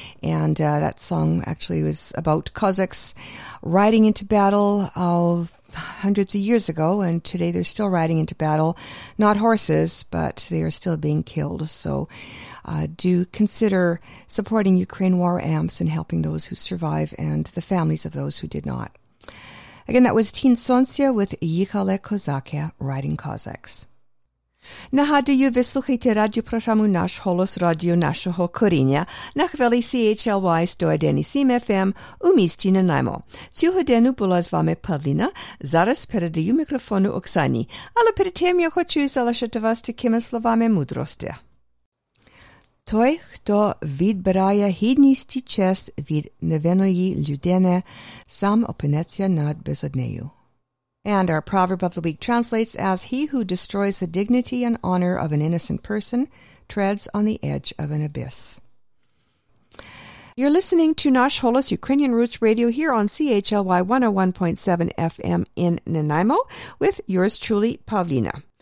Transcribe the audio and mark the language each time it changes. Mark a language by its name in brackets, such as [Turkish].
[English] And that song actually was about Cossacks riding into battle hundreds of years ago, and today they're still riding into battle, not horses, but they are still being killed. So do consider supporting Ukraine War Amps and helping those who survive and the families of those who did not. Again, that was Tin Sonsya with Yihale Kozake, Riding Cossacks. [Ukrainian] Нагадую, ви слухаєте радіопрограму «Наш голос» радіо нашого коріння на хвилі CHLY 101.7 FM у місті Нанаймо. Цю годину була з вами Павліна, зараз передаю мікрофону Оксані, але перед тим я хочу залишити вас такими словами мудрості. Той, хто відбирає гідність і честь від невинної людини, сам опиниться над безоднею. [English] And our proverb of the week translates as, "He who destroys the dignity and honor of an innocent person treads on the edge of an abyss." You're listening to Nash Holos Ukrainian Roots Radio here on CHLY 101.7 FM in Nanaimo with yours truly, Pavlina.